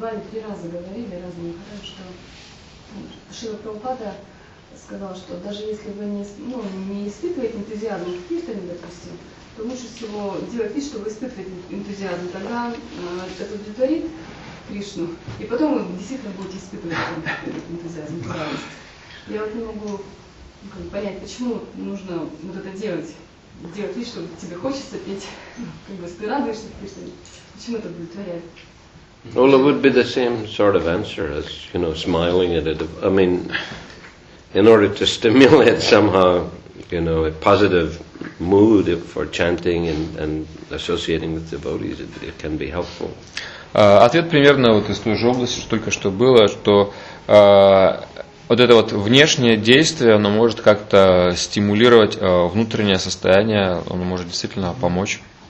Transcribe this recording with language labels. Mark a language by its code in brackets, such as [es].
[ru] Три раза говорили разные, что Шрила Прабхупада сказал, что даже если вы не, ну, не испытываете энтузиазм в киртане, допустим, то лучше всего делать вид, что вы испытываете энтузиазм, тогда это удовлетворит Кришну, и потом вы действительно будете испытывать энтузиазм. Я вот не могу понять, почему нужно вот это делать, делать вид, что тебе хочется петь, как бы ты радуешься в Кришне, почему это удовлетворяет? [en] Well, it would be the same sort of answer as, you know, smiling at it. I mean, in order to stimulate somehow, you know, a positive mood for chanting and associating with devotees, it can be helpful. [ru] Ответ примерно вот из той же области, что только что было, что вот это вот внешнее действие, оно может как-то стимулировать внутреннее состояние, оно может действительно помочь.